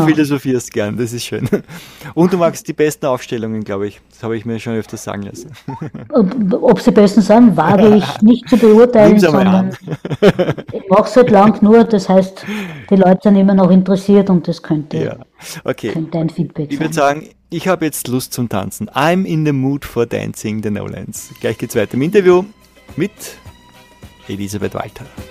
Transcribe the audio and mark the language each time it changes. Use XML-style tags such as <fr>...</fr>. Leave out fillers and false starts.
<de>Du philosophierst gern, das ist schön. Und du magst die besten Aufstellungen, glaube ich. Das habe ich mir schon öfter sagen lassen. Ob sie besten sind, wage ich nicht zu beurteilen. Sondern ich mache es halt lang nur, das heißt, die Leute sind immer noch interessiert und das könnte, ja. Okay. Könnte dein Feedback sein. Ich würde sagen, ich habe jetzt Lust zum Tanzen.</de> <en>I'm in the mood for dancing the Nolans.</en> <de>Gleich geht's weiter im Interview mit Elisabeth Walter.</de>